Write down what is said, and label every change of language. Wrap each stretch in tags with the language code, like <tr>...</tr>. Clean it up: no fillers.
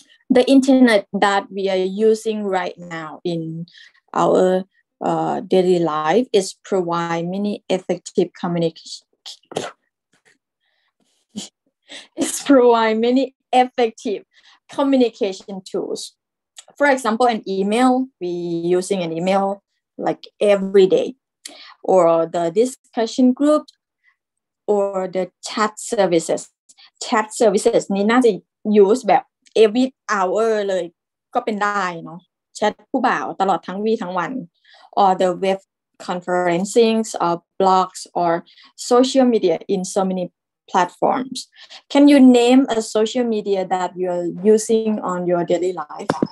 <en>The internet that we are using right now in ourdaily life is provide many effective communication tools. For example, an email, we using an email like every day, or the discussion group, or the chat services.</en> <th>Chat services นี่น่าจะ use แบบ every hour เลยก็เป็นได้เนาะแชทผู้บ่าวตลอดทั้งวีทั้งวัน</th> <en>Or the web conferencing, or blogs, or social media in so many platforms. Can you name a social media that you are using on your daily life?</en>